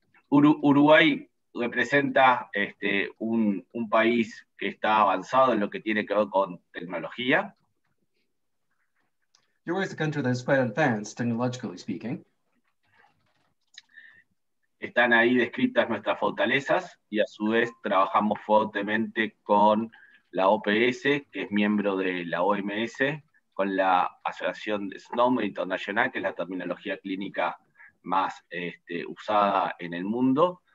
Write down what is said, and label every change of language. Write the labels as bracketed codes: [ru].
[es] Uruguay representa un país que está avanzado en lo que tiene que ver con tecnología. [en] Uruguay is a country that is quite advanced, technologically speaking. [es] Están ahí descritas nuestras fortalezas y a su vez trabajamos fuertemente con la OPS, que es miembro de la OMS, con la Aceleración de SNOM Internacional, que es la terminología clínica más usada en el mundo.